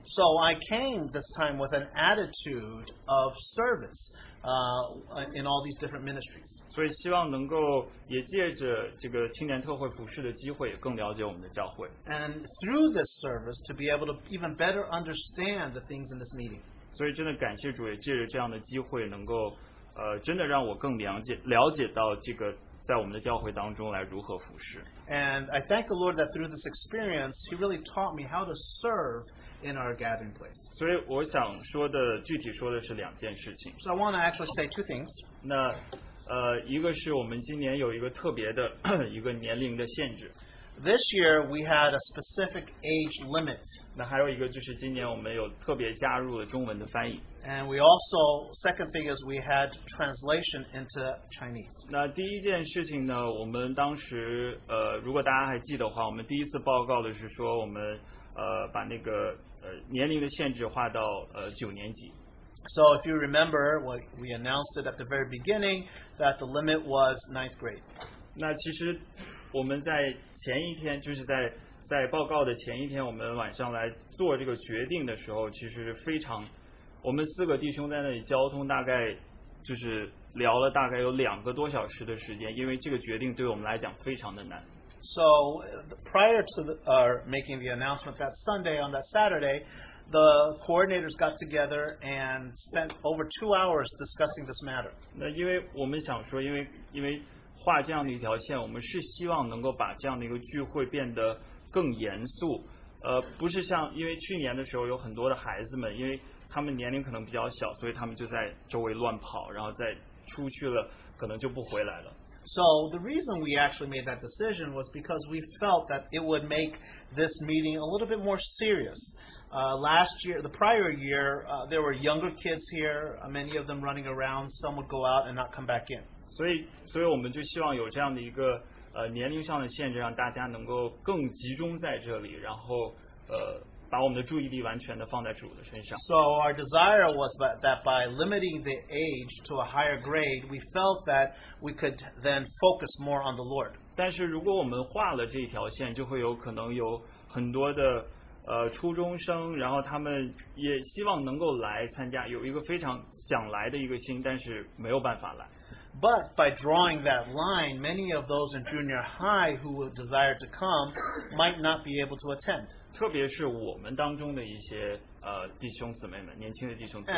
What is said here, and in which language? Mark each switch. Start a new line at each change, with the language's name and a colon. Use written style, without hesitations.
English: So I came this time with an attitude of service. In all these different ministries.
Chinese: 所以希望能够也借着这个青年特会服事的机会，更了解我们的教会。
English: And through this service, to be able to even better understand the things in this meeting.
Chinese: 所以真的感谢主，也借着这样的机会，能够真的让我更了解到这个。在我们的教会当中来如何服侍。
English: And I thank the Lord that through this experience, He really taught me how to serve in our gathering place.
Chinese: 所以我想说的具体说的是两件事情。
English: So I want to actually say two things.
Chinese: 那一个是我们今年有一个特别的一个年龄的限制。
English: This year we had a specific age limit.
Chinese: 那还有一个就是今年我们有特别加入了中文的翻译。
English: And we also, second thing is we had translation into Chinese.
Chinese: 那第一件事情呢，我们当时如果大家还记得的话，我们第一次报告的是说我们把那个年龄的限制划到九年级。
English: So if you remember, what we announced it at the very beginning that the limit was ninth grade.
Chinese: 那其实我们在前一天，就是在报告的前一天，我们晚上来做这个决定的时候，其实非常，我们四个弟兄在那里交通大概就是聊了大概有两个多小时的时间，因为这个决定对我们来讲非常的难。
English: So prior to making the announcement that Sunday on that Saturday, the coordinators got together and spent over 2 hours discussing this matter.
Chinese: 那因为我们想说，因为画这样的一条线，我们是希望能够把这样的一个聚会变得更严肃，不是像因为去年的时候有很多的孩子们，因为他们年龄可能比较小，所以他们就在周围乱跑，然后再出去了，可能就不回来了。
English: So the reason we actually made that decision was because we felt that it would make this meeting a little bit more serious. The prior year, there were younger kids here, many of them running around, some would go out and not come back in.
Chinese: 所以我们就希望有这样的一个年龄上的限制，让大家能够更集中在这里，然后把我们的注意力完全的放在主的身上。
English: So our desire was that by limiting the age to a higher grade, we felt that we could then focus more on the Lord.
Chinese: 但是如果我们画了这一条线，就会有可能有很多的初中生，然后他们也希望能够来参加，有一个非常想来的一个心，但是没有办法来。
English: But by drawing that line, many of those in junior high who would desire to come might not be able to attend.
Chinese: 特别是我们当中的一些弟兄姊妹们，年轻的弟兄姊妹。